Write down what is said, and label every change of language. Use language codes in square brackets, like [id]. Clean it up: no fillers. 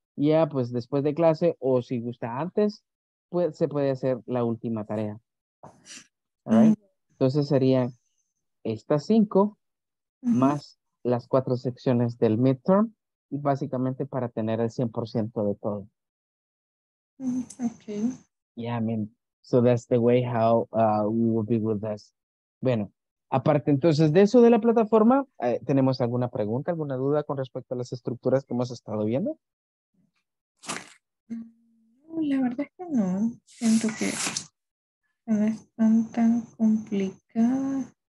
[es] Ya, pues, después de clase o si gusta antes, pues, se puede hacer la última tarea. ¿Right? Entonces serían estas 5 más las 4 secciones del midterm y básicamente para tener el 100% de todo. [en] Okay. Yeah, I mean, so that's the way how we will be with this. [es] Bueno. Aparte, entonces, de eso de la plataforma, ¿tenemos alguna pregunta, alguna duda con respecto a las estructuras que hemos estado viendo? La verdad es que no. Siento que no están tan complicadas.